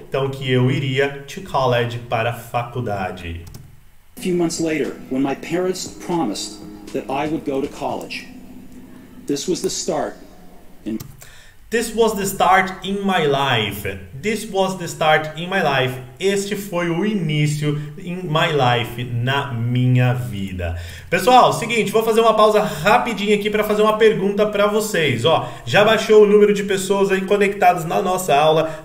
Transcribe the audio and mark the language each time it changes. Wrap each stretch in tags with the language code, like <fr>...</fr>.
<pt>Então que eu iria</pt> <en>to college,</en> <pt>para a faculdade.</pt> <en>A few months later, when my parents promised that I would go to college, this was the start in This was the start in my life. This was the start in my life.</en> <pt>Este foi o início</pt> <en>in my life,</en> <pt>na minha vida. Pessoal, seguinte, vou fazer uma pausa rapidinha aqui para fazer uma pergunta para vocês. Ó, já baixou o número de pessoas aí conectadas na nossa aula?</pt>